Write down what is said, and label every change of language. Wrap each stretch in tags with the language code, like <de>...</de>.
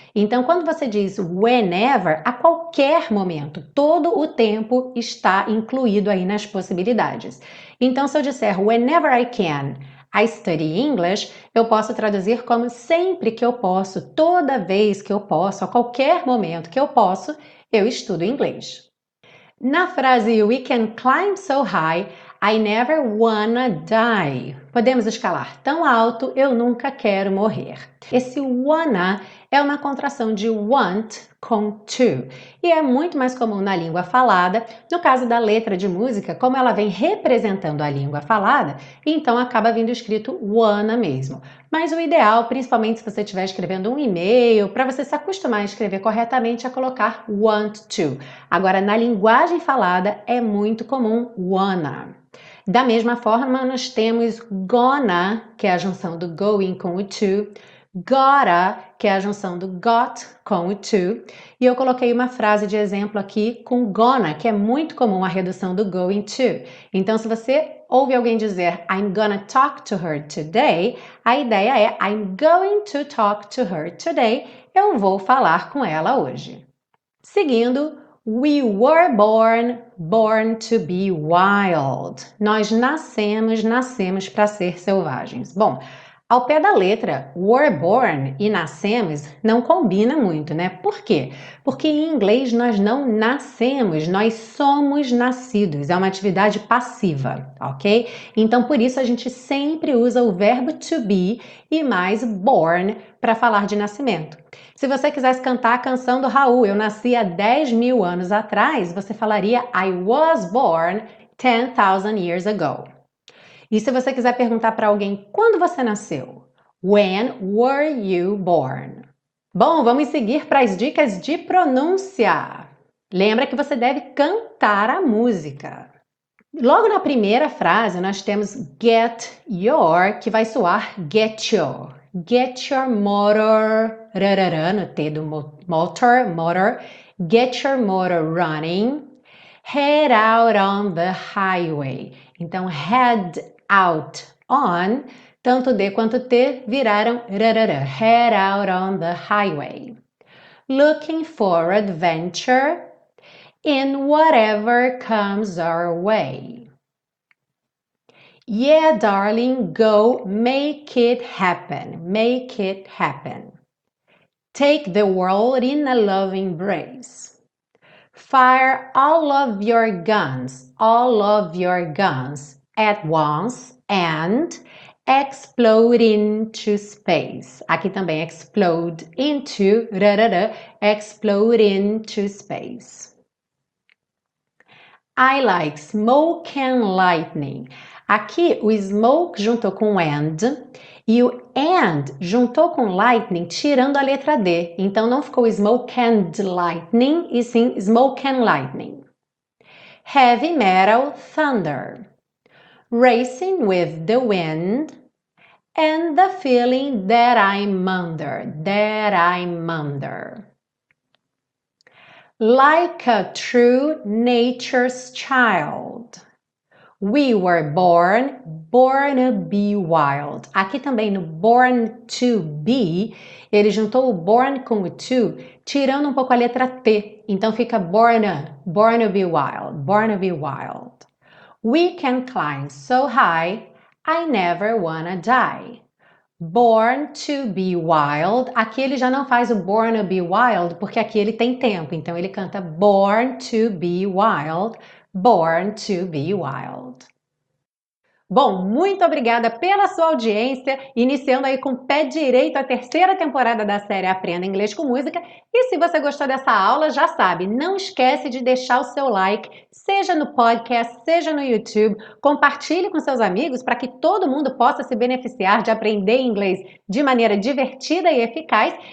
<pt>Então, quando você diz whenever, a qualquer momento, todo o tempo está incluído aí nas possibilidades. Então, se eu disser</pt> <en>whenever I can, I study English,</en> <pt>eu posso traduzir como sempre que eu posso, toda vez que eu posso, a qualquer momento que eu posso, eu estudo inglês. Na frase</pt> <en>we can climb so high, I never wanna die.</en> <pt>Podemos escalar tão alto, eu nunca quero morrer. Esse wanna é uma contração de want com to. E é muito mais comum na língua falada. No caso da letra de música, como ela vem representando a língua falada, então acaba vindo escrito wanna mesmo. Mas o ideal, principalmente se você estiver escrevendo um e-mail, para você se acostumar a escrever corretamente, é colocar want to. Agora, na linguagem falada, é muito comum wanna. Da mesma forma, nós temos gonna, que é a junção do going com o to, gotta, que é a junção do got com o to, e eu coloquei uma frase de exemplo aqui com gonna, que é muito comum a redução do going to. Então, se você ouve alguém dizer</pt> <en>I'm gonna talk to her today,</en> <pt>a ideia é</pt> <en>I'm going to talk to her today,</en> <pt>eu vou falar com ela hoje.</pt> <en>Seguindo, we were born to be wild.</en> <pt>Nós nascemos para ser selvagens. Bom, ao pé da letra,</pt> <en>were born</en> <pt>e nascemos não combina muito, né? Por quê? Porque em inglês nós não nascemos, nós somos nascidos. É uma atividade passiva, ok? Então, por isso, a gente sempre usa o verbo to be e mais born para falar de nascimento. Se você quisesse cantar a canção do Raul, eu nasci há 10 mil anos atrás, você falaria</pt> <en>I was born 10,000 years ago.</en> <pt>E se você quiser perguntar para alguém quando você nasceu?</pt> <en>When were you born?</en> <pt>Bom, vamos seguir para as dicas de pronúncia. Lembra que você deve cantar a música. Logo na primeira frase, nós temos</pt> <en>get your,</en> <pt>que vai soar get your.</pt> <en>Get your motor, rararã,</en> <pt>no T do motor,</pt> <en>get your motor running. Head out on the highway.</en> <pt>Então,</pt> <en>head out on,</en> <pt>tanto D quanto T viraram rarara,</pt> <en>head out on the highway. Looking for adventure in whatever comes our way. Yeah, darling, go make it happen. Make it happen. Take the world in a loving embrace. Fire all of your guns, all of your guns at once and explode into space.</en> <pt>Aqui também explode into, rarara,</pt> <en>explode into space. I like smoke and lightning.</en> <pt>Aqui o smoke juntou com and e o and juntou com lightning, tirando a letra D. Então não ficou</pt> <en>smoke and lightning</en> <pt>e sim smoke and lightning.</pt> <en>Heavy metal thunder. Racing with the wind and the feeling that I'm under, that I'm under. Like a true nature's child. We were born to be wild.</en> <pt>Aqui também no born to be, ele juntou o born com o to, tirando um pouco a letra T. Então fica</pt> <en>born to be wild,</en> <pt>born to be wild.</pt> <en>We can climb so high, I never wanna die. Born to be wild.</en> <pt>Aqui ele já não faz o born to be wild, porque aqui ele tem tempo. Então ele canta</pt> <en>born to be wild,</en> <pt>born to be wild. Bom, muito obrigada pela sua audiência, iniciando aí com o pé direito a terceira temporada da série Aprenda Inglês com Música. E se você gostou dessa aula, já sabe, não esquece de deixar o seu like, seja no podcast, seja no YouTube. Compartilhe com seus amigos para que todo mundo possa se beneficiar de aprender inglês de maneira divertida e eficaz.</pt>